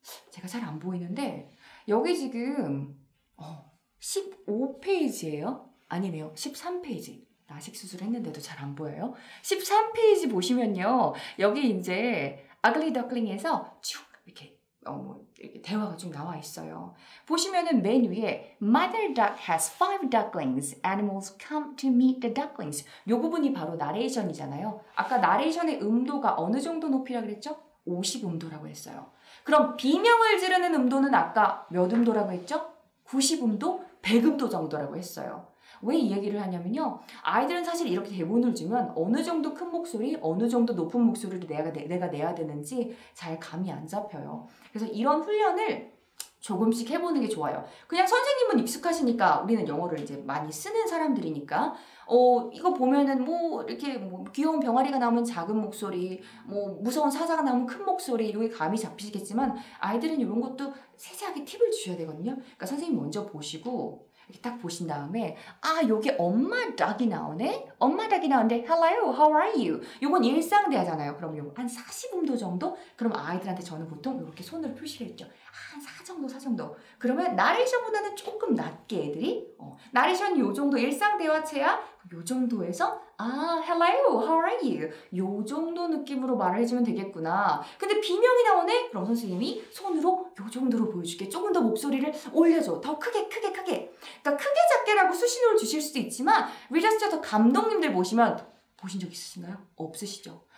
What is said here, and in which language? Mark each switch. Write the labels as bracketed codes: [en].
[ko] 제가 잘 안 보이는데 여기 지금 15페이지예요? 아니네요. 13페이지. 라식 수술 했는데도 잘 안 보여요. 13페이지 보시면요. 여기 이제 Ugly Duckling에서 쭉 이렇게 이렇게 대화가 좀 나와 있어요. 보시면은 맨 위에 [en] Mother duck has 5 ducklings. Animals come to meet the ducklings. [ko] 요 부분이 바로 나레이션이잖아요. 아까 나레이션의 음도가 어느 정도 높이라 그랬죠? 50음도라고 했어요. 그럼 비명을 지르는 음도는 아까 몇 음도라고 했죠? 90음도? 100음도 정도라고 했어요. 왜 이 얘기를 하냐면요. 아이들은 사실 이렇게 대본을 주면 어느 정도 큰 목소리, 어느 정도 높은 목소리를 내가 내야 되는지 잘 감이 안 잡혀요. 그래서 이런 훈련을 조금씩 해보는 게 좋아요. 그냥 선생님은 익숙하시니까 우리는 영어를 이제 많이 쓰는 사람들이니까 이거 보면은 뭐 이렇게 뭐 귀여운 병아리가 나오면 작은 목소리, 뭐 무서운 사자가 나오면 큰 목소리 이런 게 감이 잡히시겠지만 아이들은 이런 것도 세세하게 팁을 주셔야 되거든요. 그러니까 선생님 먼저 보시고 이렇게 딱 보신 다음에 아 여기 엄마 닭이 나오네? 엄마 닭이 나오는데 [en] Hello, how are you? [ko] 요건 일상 대화잖아요. 그럼 요 한 40음도 정도? 그럼 아이들한테 저는 보통 이렇게 손을 표시했죠. 한 4 정도, 4 정도. 그러면 나레이션보다는 조금 낮게 애들이 나레이션 요 정도 일상 대화체야? 요 정도에서 아 [en] Hello, how are you? [ko] 요 정도 느낌으로 말을 해주면 되겠구나. 근데 비명이 나오네? 그럼 선생님이 손으로 요 정도로 보여줄게. 조금 더 목소리를 올려줘. 더 크게, 크게, 크게. 그러니까 크게 작게라고 수신호를 주실 수도 있지만 리저스터 더 감독님들 보시면 보신 적 있으신가요? 없으시죠?